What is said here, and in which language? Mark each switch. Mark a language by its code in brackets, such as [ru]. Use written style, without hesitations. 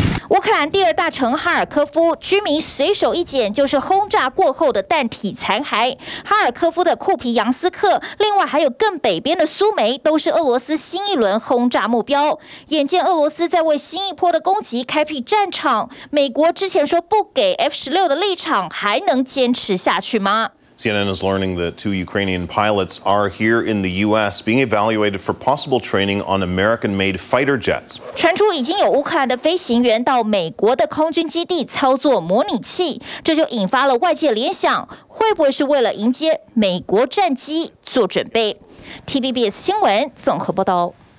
[zh] 乌克兰第二大城哈尔科夫居民随手一捡就是轰炸过后的弹体残骸。哈尔科夫的库皮扬斯克，另外还有更北边的苏梅，都是俄罗斯新一轮轰炸目标。眼见俄罗斯在为新一波的攻击开辟战场，美国之前说不给 F-16 的立场还能坚持下去吗？ [en] CNN is learning that two Ukrainian pilots are here in the U.S. being evaluated for possible training on American-made fighter jets. [zh] 传出已经有乌克兰的飞行员到美国的空军基地操作模拟器，这就引发了外界联想，会不会是为了迎接美国战机做准备 ？TVBS 新闻综合报道。